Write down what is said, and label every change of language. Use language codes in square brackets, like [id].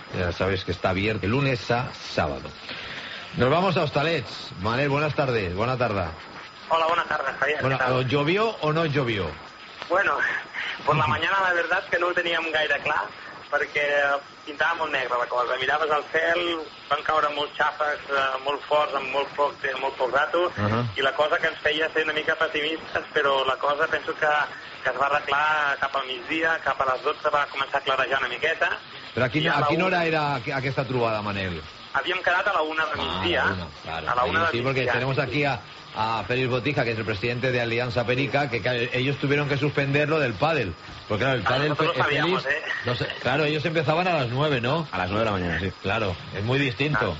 [es] Ya sabes que está abierto de lunes a sábado. Nos vamos a Hostalets. Manel, buenas tardes, buena tarde. Hola, buenas tardes, Javier. Bueno, ¿llovió o no llovió? Bueno, por la mañana la verdad es que no lo teníamos [ca] gaire clar, perquè pintava molt negre la cosa. Miraves al cel, van caure molts xàfecs molt forts, amb molt poc de molt poc rato, i la cosa que ens feia ser una mica pessimistes, però la cosa penso que es va arreglar cap al migdia, cap a les 12 va començar a clarejar una miqueta. Però a quina hora era aquesta trobada, Manel? Havíem quedat a la 1 del migdia. A la 1 del migdia. Sí, perquè tenim aquí a Félix Botija, [es] que es el presidente de Alianza Perica, que ellos tuvieron que suspender lo del pádel. Porque claro, el pádel fue Félix, claro, ellos empezaban a las 9, ¿no? A las 9 de la mañana, sí. Claro, es muy distinto.